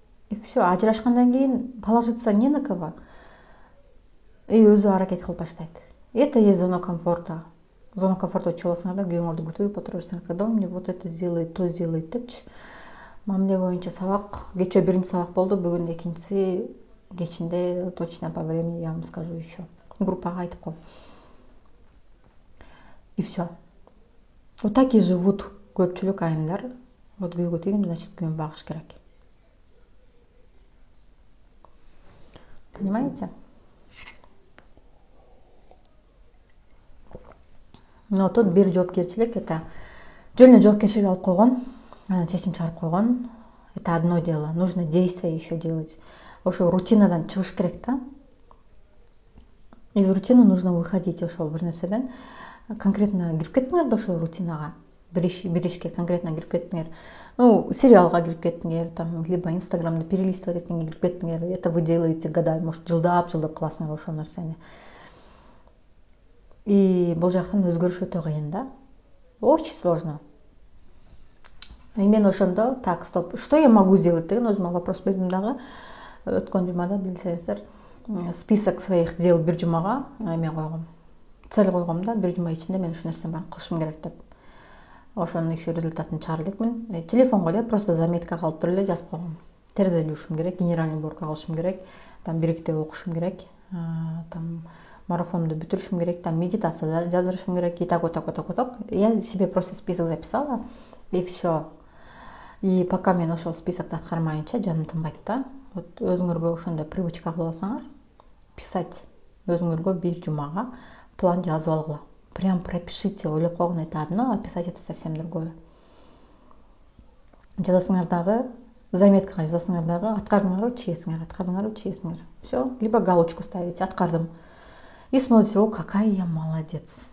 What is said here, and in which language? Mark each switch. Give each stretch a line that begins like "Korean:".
Russian: И все,
Kyrgyz: ажырашкандан кийин
Russian: положиться не на кого.
Kyrgyz: И өзү аракет кылып баштайт.
Russian: Это есть зона комфорта. Зона комфорта
Kyrgyz: чогосуңарда күйөөңөрдү күтүп отурасың,
Russian: когда мне вот это сделает, то сделает депчи.
Kyrgyz: Мамиле боюнча сабак, кече биринчи сабак болду, бүгүн экинчиси. Кечинде
Russian: точно по времени я вам скажу еще.
Kyrgyz: Группа айтко.
Russian: И все. Вот так и живут көпчүлүк айымдар.
Kyrgyz: Вот күйөөгө тийдим,
Russian: значит,
Kyrgyz: күйөөм багыш керек.
Russian: Понимаете?
Kyrgyz: Но тут бир жоопкерчилик,
Russian: это жөн эле
Kyrgyz: жоопкерчилик алып койгон, анан чечим чыгарып койгон.
Russian: Это одно дело. Нужно действие еще делать.
Kyrgyz: Ошо рутинадан чыгыш керек да.
Russian: Из рутины нужно выходить
Kyrgyz: ошол бир нерседен. Конкретно кирип кеттиңер да ошол рутинага. Бир ишке конкретно кирип кеттиңер. Ну, сериалга кирип кеттиңер, там,
Russian: либо инстаграмды перелистывать
Kyrgyz: этиңе кирип кеттиңер.
Russian: Это вы делаете годами, может,
Kyrgyz: жылдап классно ошол нерсени. И бул жактан өзгөрүш өтө кыйын да.
Russian: Очень сложно.
Kyrgyz: И мен ошондо,
Russian: так, стоп, что я могу сделать
Kyrgyz: деген өзүмө вопрос бердим дагы. Өткөн жумада билсеңиздер,
Russian: список своих дел
Kyrgyz: бир жумага мен койгом. Цель койгом да, бир жума ичинде мен ушул нерсени барын кылышым керек деп. Ошон еще результатын чыгардыкмын. Телефонго эле просто заметка калып туруп эле жазып койгом. Терезе жуушум керек, генеральный уборка кылышым керек, там бириктирип окушум керек, там марафонду бүтүрүшүм керек, там медитация жаздырышым керек, и так вот, так вот, так вот.
Russian: Я себе просто список записала, и все.
Kyrgyz: И пока мен ошол списокту аткармайынча жаным тынбайт да.
Russian: Вот
Kyrgyz: өзүңөргө ошондой привычка кылсаңар,
Russian: писать
Kyrgyz: өзүңөргө бир жумага план жазып алгыла.
Russian: Прям пропишите,
Kyrgyz: ойлоп койгон
Russian: это одно, а писать это совсем другое.
Kyrgyz: Жазасыңар дагы, заметкага жазасыңар дагы, аткардыңарбы, чиесиңер, аткардыңарбы, чиесиңер.
Russian: Все, либо галочку ставите,
Kyrgyz: аткардым.
Russian: И смотрите, о, какая я молодец.